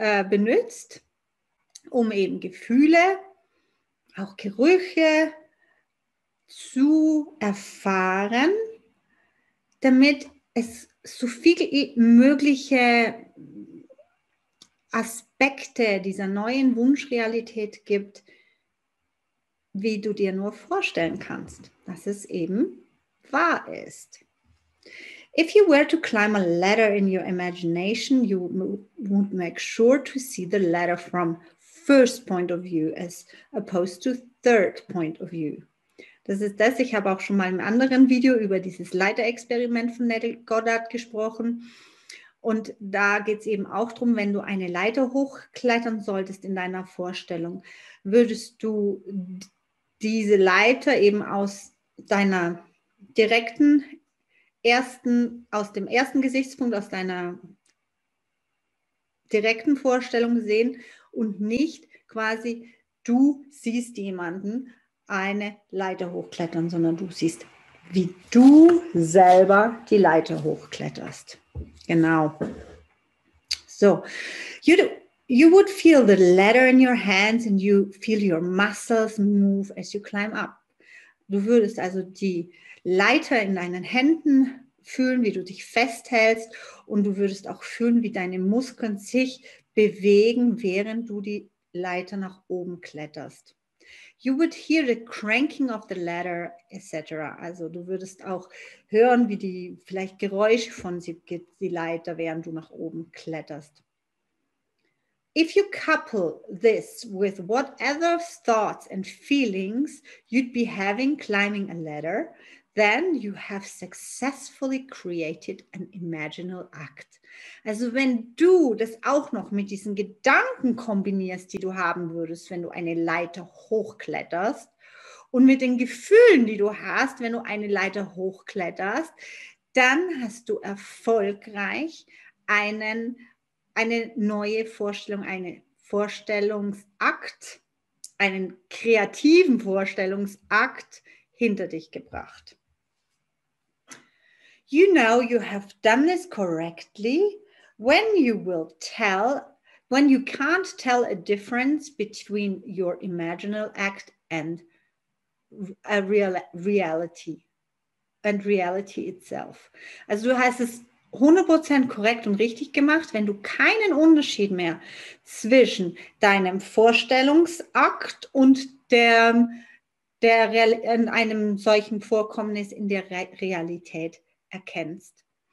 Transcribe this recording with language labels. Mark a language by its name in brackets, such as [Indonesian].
[German] benutzt, um eben Gefühle, auch Gerüche zu erfahren, damit es so viele mögliche Aspekte dieser neuen Wunschrealität gibt, wie du dir nur vorstellen kannst, dass es eben wahr ist. [English] If you were to climb a ladder in your imagination, you would make sure to see the ladder from first point of view as opposed to third point of view. [German] Das ist das, ich habe auch schon mal im anderen Video über dieses Leiterexperiment von Neville Goddard gesprochen. Und da geht es eben auch darum, wenn du eine Leiter hochklettern solltest in deiner Vorstellung, würdest du diese Leiter eben aus deiner ersten Gesichtspunkt, aus deiner direkten Vorstellung sehen und nicht quasi du siehst jemanden eine Leiter hochklettern, sondern du siehst, wie du selber die Leiter hochkletterst. Genau. [English] So, you would feel the ladder in your hands and you feel your muscles move as you climb up. [German] Du würdest also die Leiter in deinen Händen fühlen, wie du dich festhältst und du würdest auch fühlen, wie deine Muskeln sich bewegen, während du die Leiter nach oben kletterst. [English] You would hear the cranking of the ladder, etc. [German] Also du würdest auch hören, wie die vielleicht Geräusche von die Leiter, während du nach oben kletterst. [English] If you couple this with whatever thoughts and feelings you'd be having climbing a ladder, then you have successfully created an imaginal act. [German] Also wenn du das auch noch mit diesen Gedanken kombinierst, die du haben würdest, wenn du eine Leiter hochkletterst und mit den Gefühlen, die du hast, wenn du eine Leiter hochkletterst, dann hast du erfolgreich eine neue Vorstellung, einen Vorstellungsakt, einen kreativen Vorstellungsakt hinter dich gebracht. [English] You know you have done this correctly when you can't tell a difference between your imaginal act and a reality and reality itself. [German] Also du hast es 100% korrekt und richtig gemacht, wenn du keinen Unterschied mehr zwischen deinem Vorstellungsakt und einem solchen Vorkommnis in der Realität erkennst.